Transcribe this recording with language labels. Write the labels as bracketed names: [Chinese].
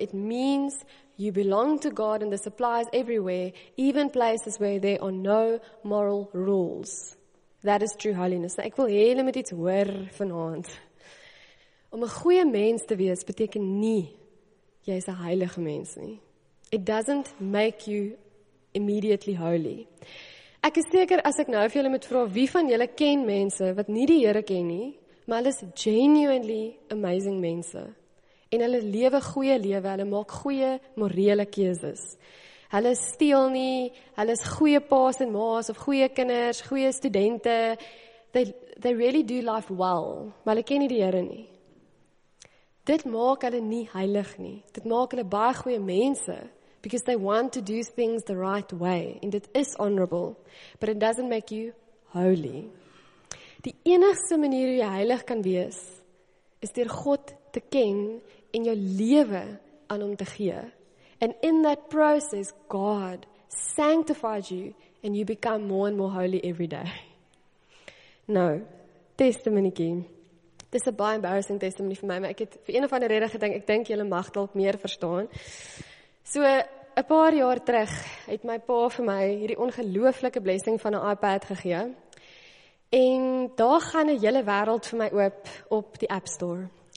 [English] It means you belong to God and this applies everywhere, even places where there are no moral rules. That is true holiness. [Afrikaans] Nou, ek wil hele met iets hoor vanavond. Om 'n goeie mens te wees, beteken nie jy is 'n heilige mens nie. [English] It doesn't make you immediately holy. [Afrikaans] Ek is seker as ek nou vir julle moet vra, wie van julle ken mense wat nie die Here ken nie, maar hulle is genuinely amazing mense. En hulle lewe goeie lewe, hulle maak goeie morele keuses. Hulle steel nie, hulle is goeie paas en maas of goeie kinders, goeie studente. [English] They really do life well, [Afrikaans] maar hulle ken nie die Here nie. dit maak hulle nie heilig nie. Dit maak hulle baie goeie mense. [English] Because they want to do things the right way. And it is honorable. But it doesn't make you holy. [Afrikaans] Die enigste manier hoe jy heilig kan wees, is deur God te ken en jou lewe aan hom te gee. [English] And in that process, God sanctifies you and you become more and more holy every day. [Afrikaans] Nou, testimoniekie. Dis 'n baie embarrassing testimony vir my, maar ek het vir een of ander rede gedink, ek dink julle mag dalk meer verstaan. So, 'n paar jaar terug het my pa vir my hierdie ongelooflike blessing van 'n iPad gegee. En daar gaan 'n hele wêreld vir my oop op die App Store.